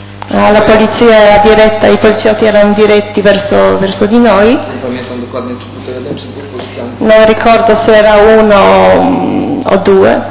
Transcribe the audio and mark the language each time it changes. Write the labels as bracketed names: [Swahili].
[Italian] La polizia era diretta, i poliziotti erano diretti verso di noi. [Polish] Non pamiętam dokładnie, czy był to jeden, czy dwóch policjantów. [Italian] Non ricordo se era uno o due.